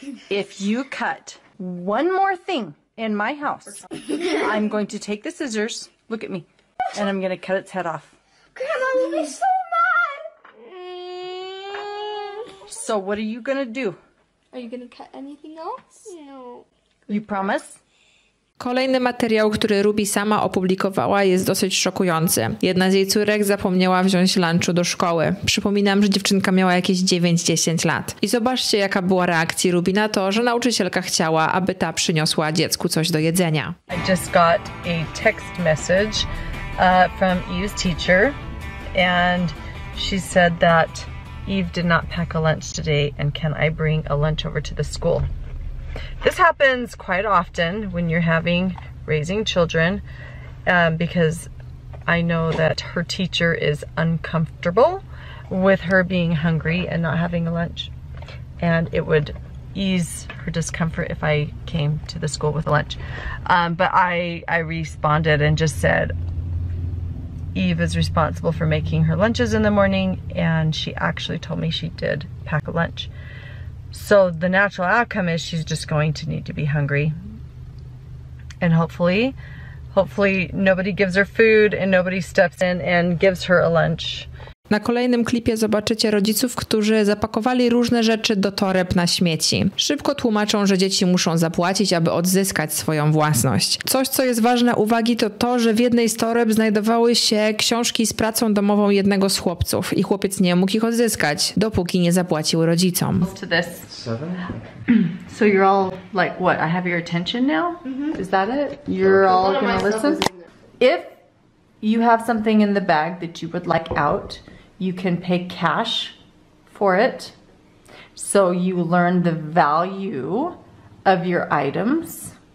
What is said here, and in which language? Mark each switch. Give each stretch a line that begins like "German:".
English: If you cut one more thing in my house, I'm going to take the scissors, look at me, and I'm going to cut its head off. Grandma will be so mad! So what are you going to do? Are you going to cut anything else? No. You promise?
Polish: Kolejny materiał, który Ruby sama opublikowała, jest dosyć szokujący. Jedna z jej córek zapomniała wziąć lunchu do szkoły. Przypominam, że dziewczynka miała jakieś 9-10 lat. I zobaczcie, jaka była reakcja Ruby na to, że nauczycielka chciała, aby ta przyniosła dziecku coś do jedzenia.
English: I just got a text message from EU's teacher and she said that Eve did not pack a lunch today, and can I bring a lunch over to the school? This happens quite often when you're raising children, because I know that her teacher is uncomfortable with her being hungry and not having a lunch, and it would ease her discomfort if I came to the school with a lunch. But I responded and just said, Eve is responsible for making her lunches in the morning, and she actually told me she did pack a lunch. So the natural outcome is she's just going to need to be hungry. And hopefully nobody gives her food and nobody steps in and gives her a lunch.
Polish: Na kolejnym klipie zobaczycie rodziców, którzy zapakowali różne rzeczy do toreb na śmieci. Szybko tłumaczą, że dzieci muszą zapłacić, aby odzyskać swoją własność. Coś, co jest ważne uwagi, to to, że w jednej z toreb znajdowały się książki z pracą domową jednego z chłopców i chłopiec nie mógł ich odzyskać, dopóki nie zapłacił rodzicom.
English: So you're all like what? I have your attention now? Is that it? You're all gonna listen? If you have something in the bag that you would like out, you can pay cash for it. So you learn the value of your items.